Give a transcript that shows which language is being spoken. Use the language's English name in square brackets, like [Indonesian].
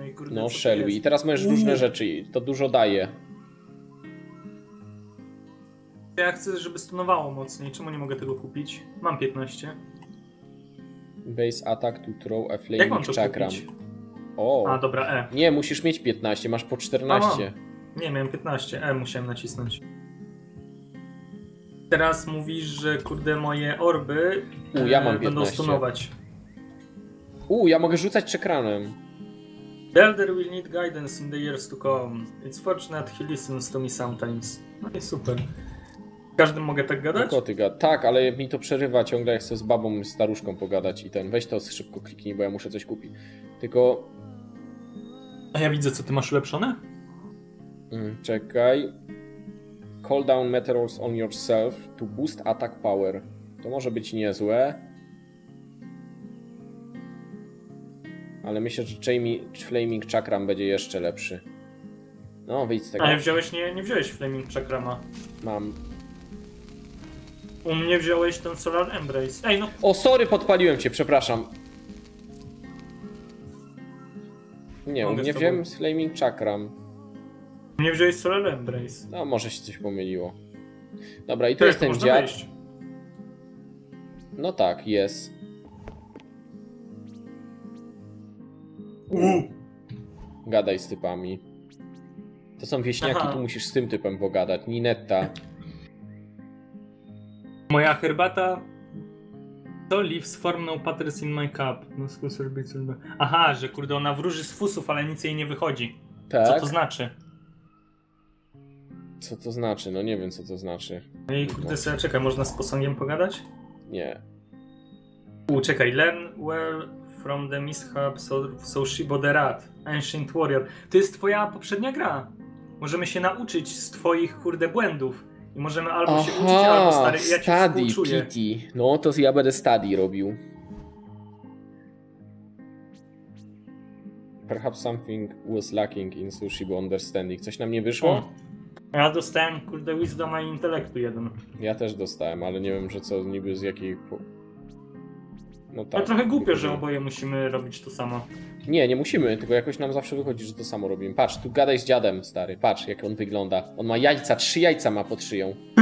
[Polish] No [English] shall we. [Polish] I teraz masz różne rzeczy, to dużo daje. Ja chcę, żeby stunowało mocniej. Czemu nie mogę tego kupić? Mam 15. [English] Base attack to throw a flaming chakram. [Polish] O. A, dobra, E. Nie, musisz mieć 15, masz po 14. Nie, miałem 15, E musiałem nacisnąć. Teraz mówisz, że kurde moje orby ja mam 15. Będą stunować. Ja mogę rzucać czekranem. [English] The Elder will need guidance in the years to come. It's fortunate he listens to me sometimes. [Polish] No i super. Każdym mogę tak gadać? Tylko ty gadasz. Tak, ale mi to przerywa ciągle, jak chcę z babą, staruszką pogadać i ten. Weź to szybko kliknij, bo ja muszę coś kupić. Tylko... A ja widzę, co ty masz ulepszone? Czekaj. [English] Call down materials on yourself to boost attack power. [Polish] To może być niezłe. Ale myślę, że Flaming Chakram będzie jeszcze lepszy. No, wyjdź z tego. A nie wziąłeś, nie wziąłeś Flaming Chakrama. Mam. U mnie wziąłeś ten Solar Embrace. Ej, no. O, sorry, podpaliłem cię, przepraszam. Nie, mogę u mnie wziąłem Flaming Chakram. Nie wziąłeś Solar Embrace. No, może się coś pomyliło. Dobra, i tu jest ten dziad. Wejść? No tak, jest. Gadaj z typami. To są wieśniaki, aha, tu musisz z tym typem pogadać. Ninetta. Moja herbata to [English] leaves form no patterns in my cup. [Polish] No aha, że kurde, ona wróży z fusów, ale nic jej nie wychodzi. Tak? Co to znaczy? Co to znaczy? No nie wiem, co to znaczy. Ej, kurde, sobie czekaj, można z posągiem pogadać? Nie. Czekaj, [English] learn well from the mishap so Shibo the Rat, Ancient Warrior. [Polish] To jest twoja poprzednia gra. Możemy się nauczyć z twoich, kurde, błędów. I możemy albo się uczyć, albo stary, [English] study, [Polish] ja cię współczuję. [English] Pity. [Polish] No to ja będę study robił. [English] Perhaps something was lacking in Sushi bo understanding. [Polish] Coś nam nie wyszło? Ja dostałem, kurde, wisdom i intelektu jeden. Ja też dostałem, ale nie wiem, że co niby z jakiej... No tak. Ale trochę głupio, że oboje musimy robić to samo. Nie, nie musimy, tylko jakoś nam zawsze wychodzi, że to samo robimy. Patrz, tu gadaj z dziadem, stary. Patrz, jak on wygląda. On ma jajca, 3 jajca ma pod szyją.